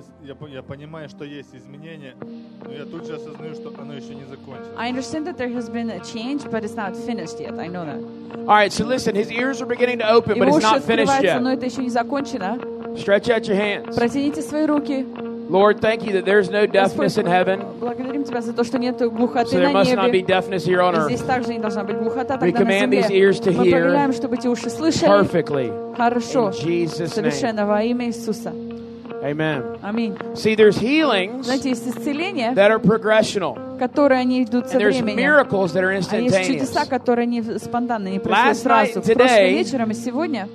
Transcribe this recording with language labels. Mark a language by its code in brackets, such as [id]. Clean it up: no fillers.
[ru] Я понимаю, что есть изменение, но я тут же осознаю, что оно еще не закончилось. [en] I understand that there has been a change, but it's not finished yet. I know that. All right, so listen. His ears are beginning to open, but it's not finished yet. [ru] Но это еще не закончено. [en] Stretch out your hands. [ru] Протяните свои руки. [en] Lord, thank you that there's no deafness in heaven. So there must not be deafness here on earth. We command these ears to hear perfectly. [ru] Хорошо. [en] In Jesus' name. [ru] Совершенно во имя Иисуса. [en] Amen. [ru] Аминь. [en] See, there's healings, [ru] знаете, есть исцеления, [en] that are progressional. [ru] Которые они идут со [en] and there's [ru] временем. [en] Miracles that are instantaneous. [ru] А есть чудеса, которые не спонтанно, не происходят [en] Last [ru] сразу. [en] Night, today, [ru] вечером и сегодня,